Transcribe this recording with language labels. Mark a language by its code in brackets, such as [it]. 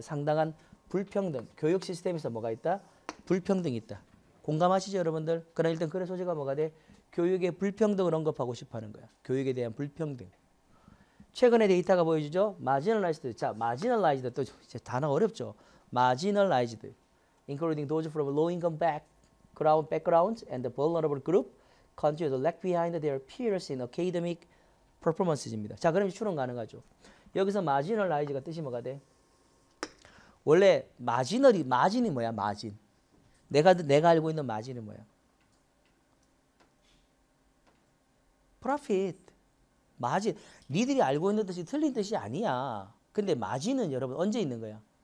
[ko] 상당한 불평등, 교육 시스템에서 뭐가 있다? 불평등이 있다. 공감하시죠, 여러분들? 그러나 일단 글의 소재가 뭐가 돼? 교육의 불평등을 언급하고 싶어하는 거야. 교육에 대한 불평등. 최근에 데이터가 보여주죠? 마지널라이즈드. 자, 마지널라이즈드 또 단어 어렵죠? 마지널라이즈드. [en] Including those from low-income backgrounds and the vulnerable group. Continue to lag behind their peers in academic performances입니다. [ko] 자, 그럼 추론 가능하죠. 여기서 마지널라이즈가 뜻이 뭐가 돼? 원래 마지널이 마진이 뭐야? 마진. 내가 알고 있는 마진이 뭐야? Profit. 마진. 니들이 알고 있는 뜻이 틀린 뜻이 아니야. 근데 마진은 여러분 언제 있는 거야?